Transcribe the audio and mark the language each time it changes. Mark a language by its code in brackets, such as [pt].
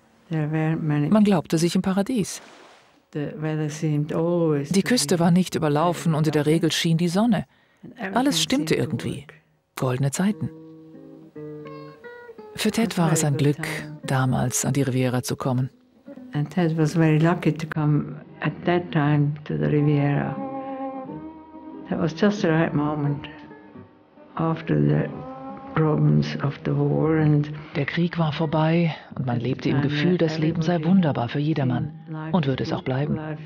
[de] Man glaubte sich im Paradies. Die Küste war nicht überlaufen und in der Regel schien die Sonne. Alles stimmte irgendwie. Goldene Zeiten. Für Ted war es ein Glück, damals an die Riviera zu kommen. [en] And Ted was very lucky to come at that time to the Riviera. That was just the right moment after the problems of the war. And [de] der Krieg war vorbei und man lebte im Gefühl, das Leben sei wunderbar für jedermann und würde es auch bleiben.